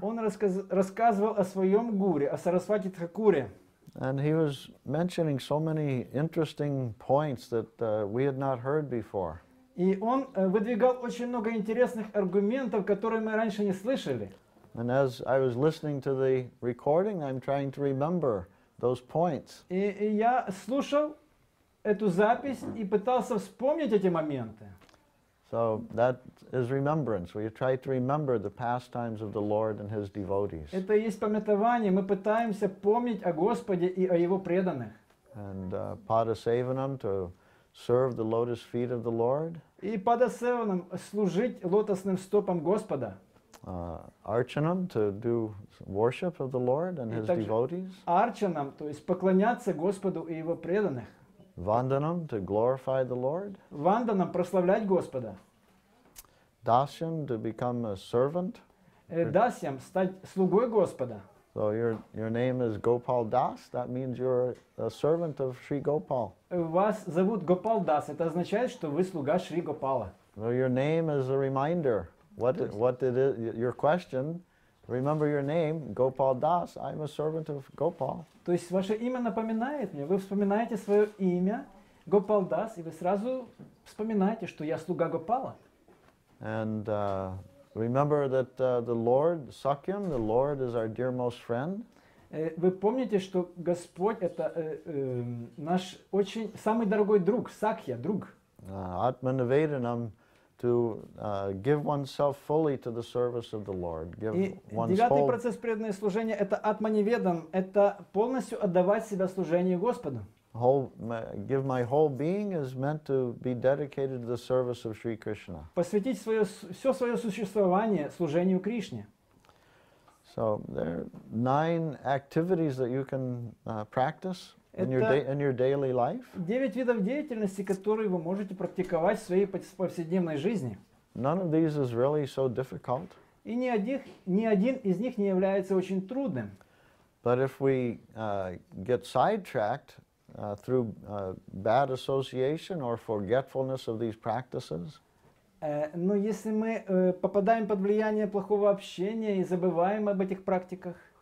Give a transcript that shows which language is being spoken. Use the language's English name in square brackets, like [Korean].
[Russian] Он рассказывал о своем гуре, о Сарасвати Тхакуре. [English] And he was mentioning so many interesting points that we had not heard before. [Russian] И он выдвигал очень много интересных аргументов, которые мы раньше не слышали. [English] And as I was listening to the recording, I'm trying to remember those points. [Russian] И я слушал эту запись и пытался вспомнить эти моменты. [English] So that is remembrance. We try to remember the pastimes of the Lord and His devotees. [Russian] Это и есть памятование. Мы пытаемся помнить о Господе и о Его преданных. [English] And pada sevanam, to serve the lotus feet of the Lord. [Russian] И pada sevanam, служить лотосным стопам Господа. [English] Archanam, to do worship of the Lord and His devotees. [Russian] Archanam, то есть поклоняться Господу и Его преданных. [English] Ванданам, to glorify the Lord. [Russian] Ванданам, прославлять Господа. [English] Дасьям, to become a servant. [Russian] Дасьям, стать слугой Господа. [English] So your name is Gopal Das, that means you're a servant of Sri Gopal. [Russian] Вас зовут Гопал Дас, это означает, что вы слуга Шри Гопала. [English] So your name is a reminder. Your question, remember your name, Gopal Das, I'm a servant of Gopal. [Russian] То есть ваше имя напоминает мне, вы вспоминаете свое имя, Гопал Дас, и вы сразу вспоминаете, что я слуга Гопала. [English] And remember that the Lord, Sakyam, the Lord is our dearmost friend. [Russian] Вы помните, что Господь — это наш очень самый дорогой друг, Сакья, друг. [Sanskrit] Атманаведанам. [English] To give oneself fully to the service of the Lord. Give oneself. [Russian] Девятый процесс преданного служения — это атманиведан, это полностью отдавать себя служению Господу. [English] Give my whole being is meant to be dedicated to the service of Sri Krishna. [Russian] Посвятить все свое существование служению Кришне. [English] So there are 9 activities that you can practice. In your daily life. [Russian] 9 видов деятельности, которые вы можете практиковать в своей повседневной жизни. [English] None of these is really so difficult. [Russian] И ни один из них не является очень трудным. [English] But if we get sidetracked through bad association or forgetfulness of these practices. [Russian] Но если мы попадаем под влияние плохого общения и забываем об этих практиках.